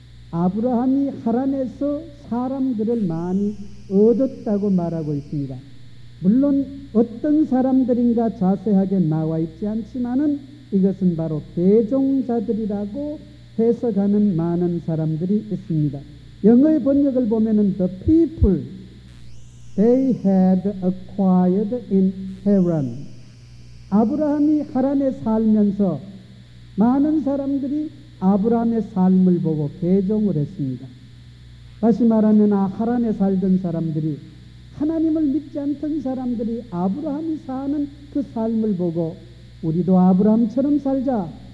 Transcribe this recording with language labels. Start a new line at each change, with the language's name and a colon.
Korean: 아브라함이 하란에서 사람들을 많이 얻었다고 말하고 있습니다. 물론 어떤 사람들인가 자세하게 나와 있지 않지만은 이것은 바로 배종자들이라고 해석하는 많은 사람들이 있습니다. 영어의 번역을 보면은
English: the people they had acquired in Haran.
Korean: 아브라함이 하란에 살면서 많은 사람들이 아브라함의 삶을 보고 개종을 했습니다. 다시 말하면 하란에 살던 사람들이 하나님을 믿지 않던 사람들이 아브라함이 사는 그 삶을 보고 우리도 아브라함처럼 살자.